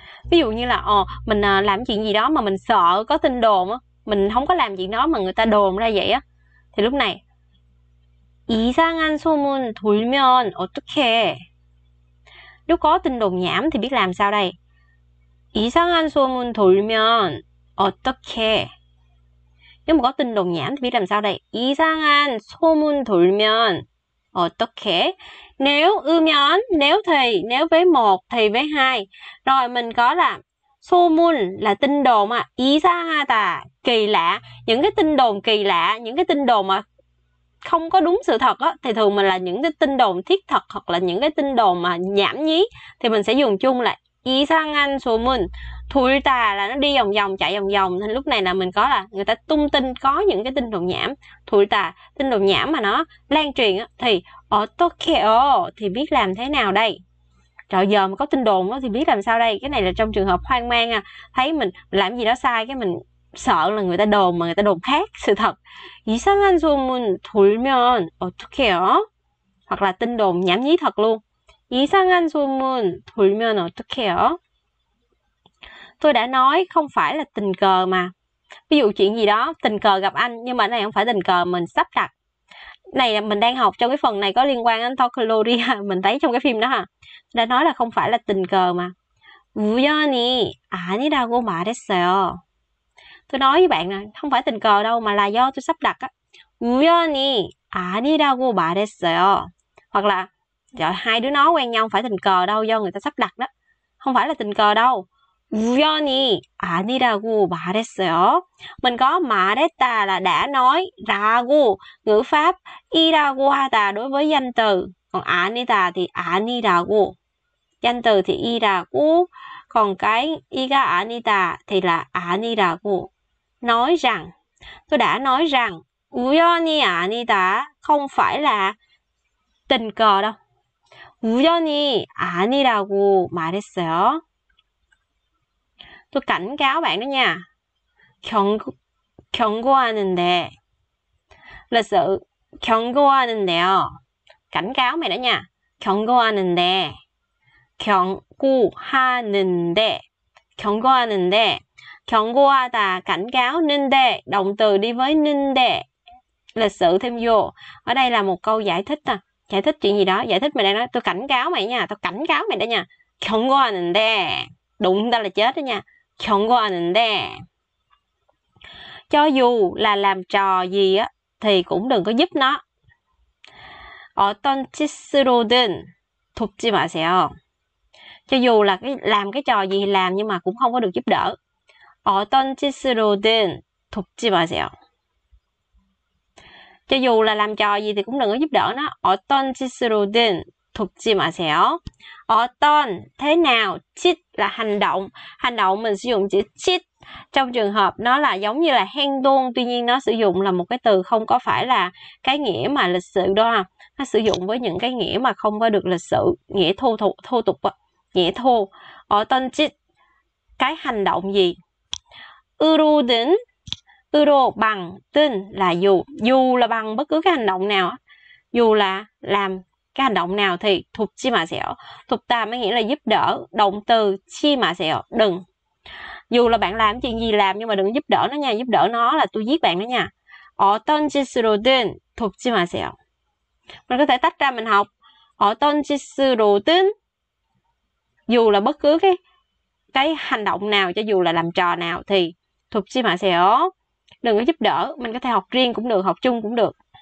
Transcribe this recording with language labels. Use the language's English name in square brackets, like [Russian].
[Vietnamese] Ví dụ như là mình làm chuyện gì đó mà mình sợ có tin đồn á, mình không có làm chuyện đó mà người ta đồn ra vậy á, thì lúc này [Korean] 이상한 소문 돌면 어떡해? [Vietnamese] Nếu có tin đồn nhảm thì biết làm sao đây? [Korean] 이상한 소문 돌면 어떡해? [Vietnamese] Nếu mà có tin đồn nhảm thì biết làm sao đây? [Korean] 이상한 소문 돌면 어떡해? [Vietnamese] Nếu 으면, nếu thì, nếu với một thì với hai. Rồi mình có là 소문 là tin đồn ạ. 이상하다, kỳ lạ. Những cái tin đồn kỳ lạ, những cái tin đồn mà không có đúng sự thật á, thì thường mình là những cái tin đồn thiết thật hoặc là những cái tin đồn mà nhảm nhí, thì mình sẽ dùng chung là 이상한 소문. 돌다 là nó đi vòng vòng, chạy vòng vòng. Nên lúc này là mình có là người ta tung tin, có những cái tin đồn nhảm. 돌다, tin đồn nhảm mà nó lan truyền á, thì [Korean] 어떡해요, [Vietnamese] thì biết làm thế nào đây? Trời, giờ mà có tin đồn á thì biết làm sao đây? Cái này là trong trường hợp hoang mang à, thấy mình làm gì đó sai, cái mình sợ là người ta đồn, mà người ta đồn khác sự thật. [Korean] 이상한 소문 돌면 어떡해요, [Vietnamese] hoặc là tin đồn nhảm nhí thật luôn. [Korean] 이상한 소문 돌면 어떡해요? [Vietnamese] Tôi đã nói không phải là tình cờ mà. Ví dụ chuyện gì đó tình cờ gặp anh, nhưng mà này không phải tình cờ, mình sắp đặt. Này mình đang học trong cái phần này có liên quan đến Tokyo, mình thấy trong cái phim đó ha. Tôi đã nói là không phải là tình cờ mà. [Korean] 우연히 아니라고 말했어요. [Vietnamese] Tôi nói với bạn nè, không phải tình cờ đâu mà là do tôi sắp đặt á. [Korean] 우연히 아니라고 말했어요. [Vietnamese] Hoặc là rồi hai đứa nó quen nhau phải tình cờ đâu, do người ta sắp đặt đó, không phải là tình cờ đâu. [Korean] 우연히 아니라고 말했어요. [Vietnamese] Mình có 말했다 là đã nói, 라고 ngữ pháp, 이라고 하다 đối với danh từ, còn 아니다 thì 아니라고, danh từ thì 이라고, còn cái 이가 아니다 thì là 아니라고, nói rằng. Tôi đã nói rằng [Korean] 우연히 아니다, [Vietnamese] không phải là tình cờ đâu. [Korean] 우연히 아니라고 말했어요. [Vietnamese] Tôi cảnh cáo bạn đó nha. [Korean] 경고하는데. [Vietnamese] Lịch sự [Korean] 경고하는데요. [Vietnamese] Cảnh cáo mày đó nha. [Korean] 경고하는데. 경고하는데. 경고하는데. [Vietnamese] 경고하다, cảnh cáo. 는데, động từ đi với 는데. Lịch sự thêm vô. Ở đây là một câu giải thích nè. Giải thích chuyện gì đó, giải thích mày đang nói, tôi cảnh cáo mày nha, tôi cảnh cáo mày đó nha. [Korean] 경고하는데, [Vietnamese] đụng ta là chết đó nha. 경고하는데, cho dù là làm trò gì á, thì cũng đừng có giúp nó. [Korean] 어떤 짓으로든 돕지 마세요. [Vietnamese] Cho dù là cái làm cái trò gì thì làm nhưng mà cũng không có được giúp đỡ. [Korean] 어떤 짓으로든 돕지 마세요. [Vietnamese] Cho dù là làm trò gì thì cũng đừng có giúp đỡ nó. [Korean] 어떤 짓으로든 돕지 마세요. [Vietnamese] 어떤 thế nào, chit là hành động. Hành động mình sử dụng chữ chit trong trường hợp nó là giống như là hang tuôn, tuy nhiên nó sử dụng là một cái từ không có phải là cái nghĩa mà lịch sự đâu ha. Nó sử dụng với những cái nghĩa mà không có được lịch sự, nghĩa thô tục, nghĩa thô. 어떤 짓, cái hành động gì. 으로든, 으로 bằng, 든 là dù. Dù là bằng bất cứ cái hành động nào, dù là làm cái hành động nào thì [Korean] 돕지 마세요. [Vietnamese] 돕다 mới nghĩa là giúp đỡ, động từ 치 마세요, đừng. Dù là bạn làm chuyện gì làm nhưng mà đừng giúp đỡ nó nha, giúp đỡ nó là tôi giết bạn đó nha. [Korean] 어떤 짓으로든 돕지 마세요. [Vietnamese] Mình có thể tách ra mình học [Korean] 어떤 짓으로든, [Vietnamese] dù là bất cứ cái hành động nào, cho dù là làm trò nào thì [Korean] 돕지 마세요, [Vietnamese] đừng có giúp đỡ. Mình có thể học riêng cũng được, học chung cũng được.